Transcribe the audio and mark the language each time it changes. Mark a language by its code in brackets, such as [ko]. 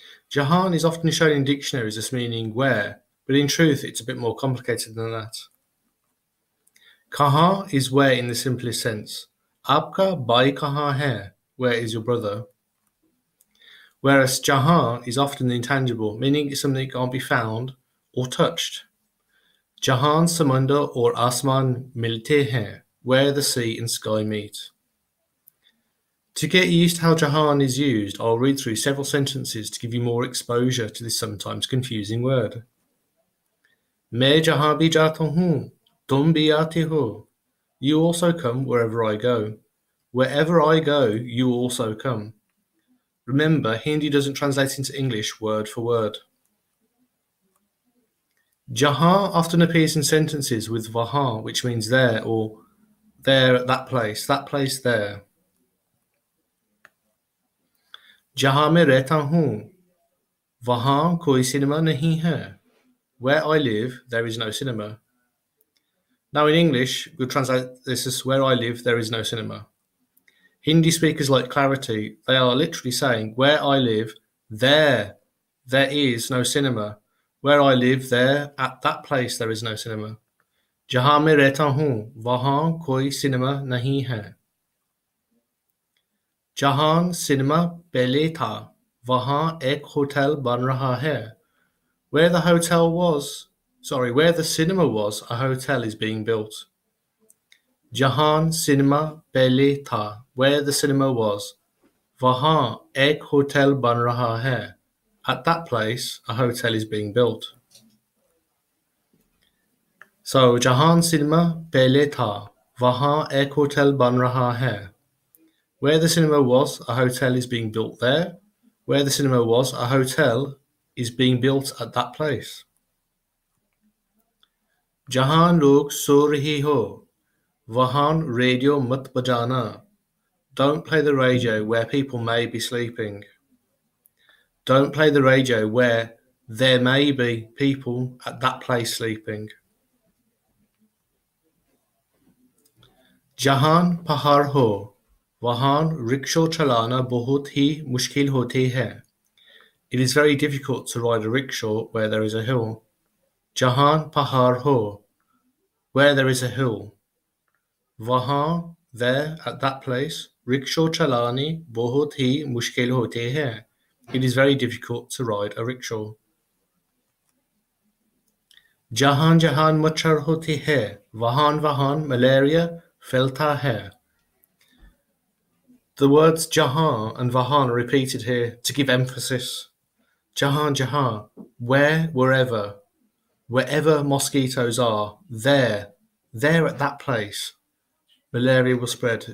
[en] Jahaan is often shown in dictionaries as meaning where, but in truth it's a bit more complicated than that. Kaha is where in the simplest sense. [hi] Apka bhai kaha hai, [en] where is your brother? Whereas Jahaan is often intangible, meaning it's something that can't be found or touched. [hi] जहाँ समुंदा और आसमान मिलते हैं, [en] where the sea and sky meet. To get used to how Jahaan is used, I'll read through several sentences to give you more exposure to this sometimes confusing word. [hi] मैं जहाँ भी जाता हूँ, तुम भी आते हो। [en] You also come wherever I go. Wherever I go, you also come. Remember, Hindi doesn't translate into English word for word. Jahan often appears in sentences with vaha, which means there or there at that place there. [hi] जहाँ मैं रहता हूँ, वहाँ कोई cinema नहीं है। [en] Where I live, there is no cinema. Now in English, we'll translate this as where I live, there is no cinema. Hindi speakers like clarity, they are literally saying, where I live, there is no cinema. Where I live, there, at that place, there is no cinema. [hi] जहाँ मैं रहता हूँ, वहाँ कोई cinema नहीं है। जहाँ cinema पहले था, वहाँ एक होटल बन रहा है। [en] Where the cinema was, a hotel is being built. [hi] जहाँ सिनेमा पहले था, [en] where the cinema was, [hi] वहाँ एक होटल बन रहा है। [en] At that place, a hotel is being built. [hi] So, जहाँ सिनेमा पहले था, वहाँ एक होटल बन रहा है। [en] Where the cinema was, a hotel is being built there. Where the cinema was, a hotel is being built at that place. [hi] जहाँ लोग सो रहे हो, वहाँ रेडियो मत बजाना। [en] Don't play the radio where people may be sleeping. Don't play the radio where there may be people at that place sleeping. [hi] जहाँ पहाड़ हो, वहाँ रिक्शा चलाना बहुत ही मुश्किल होती है। [en] It is very difficult to ride a rickshaw where there is a hill. [hi] Jahan pahar ho, [en] where there is a hill. [hi] वहाँ, [en] there, at that place, [hi] rickshaw चलानी बहुत ही मुश्किल होती है। [en] It is very difficult to ride a rickshaw. [hi] जहाँ जहाँ मच्छर होती है, वहाँ वहाँ मलेरिया फैलता है। [en] The words jahan and vahan are repeated here to give emphasis. [hi] Jahan jahan, [en] wherever, wherever mosquitoes are, there at that place, malaria will spread.